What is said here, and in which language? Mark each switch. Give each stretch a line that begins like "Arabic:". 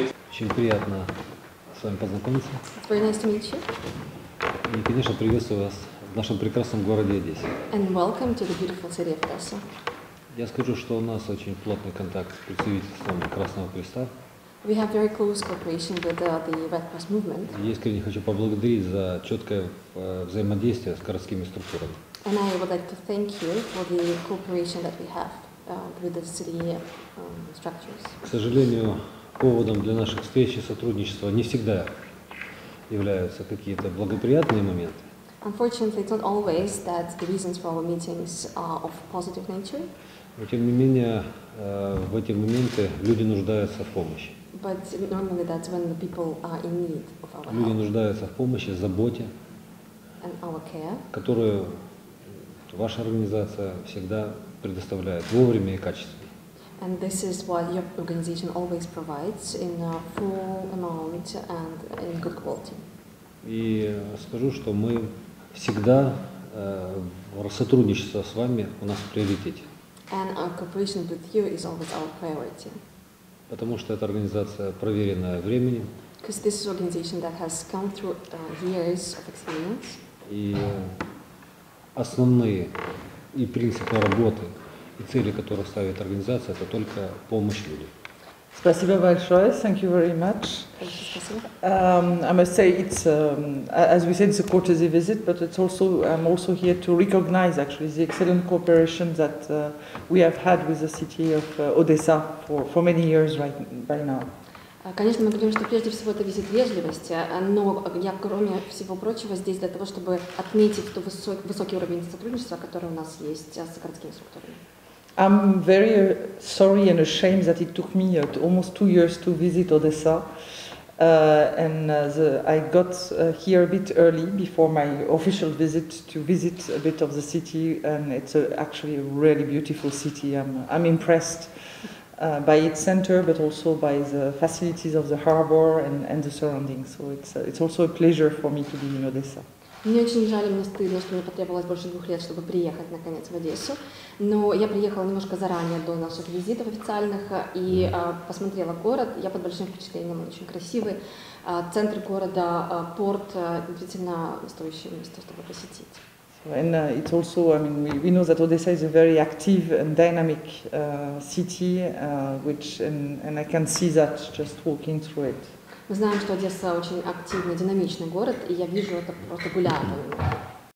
Russian: Очень приятно с вами познакомиться.
English: Very nice to meet you.
Russian: И, конечно, приветствую вас в нашем прекрасном городе Одессе.
English: And welcome to the beautiful city of Odessa.
Russian: Я скажу, что у нас очень плотный контакт с представительством Красного Креста.
English: We have very close cooperation with the Red Cross movement.
Russian: Я искренне хочу поблагодарить за четкое взаимодействие с городскими структурами.
English: And I would like to thank you for the cooperation that we have with the city structures.
Russian: К сожалению, поводом для наших встреч и сотрудничества не всегда являются какие-то благоприятные моменты.
English: Unfortunately, it's not always that the reasons for our meetings are of positive nature.
Russian: Но тем не менее, в эти моменты люди нуждаются в помощи.
English: But normally that's when the people are in need of our help.
Russian: Люди нуждаются в помощи, заботе,
English: and our care,
Russian: которую ваша организация всегда предоставляет вовремя и качественно.
English: And this is what your organization always provides in a full amount and in good quality.
Russian: И скажу, что мы всегда сотрудничество с вами у нас в приоритете.
English: And our cooperation with you is always our priority.
Russian: Потому что это организация, проверенная временем.
English: Because this is an organization that has come through years of experience.
Russian: И основные и принципы работы и цели, которые ставит организация, это только помощь людям. Спасибо большое.
English: Thank you very much. I must say it's as we said, it's a courtesy visit, but it's also I'm also here to recognize actually the excellent cooperation that we have had with the city of Odessa for many years right by now.
Russian: Конечно, мы говорим, что прежде всего это визит вежливости, но я, кроме всего прочего, здесь для того, чтобы отметить тот высокий уровень сотрудничества, который у нас есть с городскими структурами.
English: I'm very sorry and ashamed that it took me almost 2 years to visit Odessa, I got here a bit early before my official visit to visit a bit of the city, and it's actually a really beautiful city. I'm impressed by its center, but also by the facilities of the harbor and the surroundings. So it's also a pleasure for me to be in Odessa.
Russian: Мне очень жаль, мне стыдно, что мне потребовалось больше 2 лет, чтобы приехать, наконец, в Одессу. Но я приехала немножко заранее до наших визитов официальных и посмотрела город. Я под большим впечатлением, он очень красивый. Центр города, порт, действительно стоящее место, чтобы посетить.
English: So, and it's also, I mean, we know that Odessa is a very active and dynamic city, which I can see that just walking through it.
Russian: Мы знаем, что Одесса очень активный, динамичный город, и я вижу это просто гуляя по нему.